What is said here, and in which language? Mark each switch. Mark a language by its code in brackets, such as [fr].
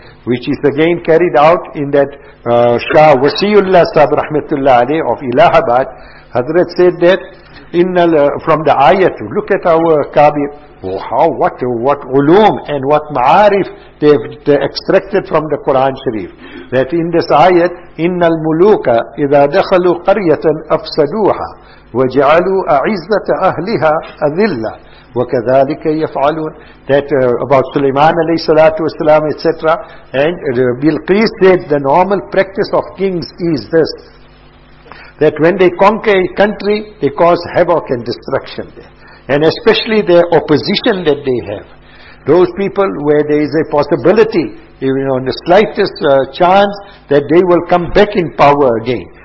[en] Which is again carried out in that Shah Wasiullah Sahib Rahmatullah Ali of Allahabad. Hazrat said that from the ayat, look at our kabir. Oh, how, what uloom and what ma'arif they've extracted from the Quran Sharif. That in this ayat, [ar] إِنَّ الْمُلُوكَ إِذَا دَخَلُوا قَرْيَةً أَفْسَدُوهَا وَجَعَلُوا أَعِزَّةَ أَهْلِهَا أَذِلَّةً وَكَذَلِكَ يَفْعَلُونَ. [en] That about Sulaiman alayhi salatu wasalam, etc. And Bilqis said, the normal practice of kings is this, that when they conquer a country, they cause havoc and destruction there. And especially their opposition that they have. Those people where there is a possibility, even on the slightest chance, that they will come back in power again.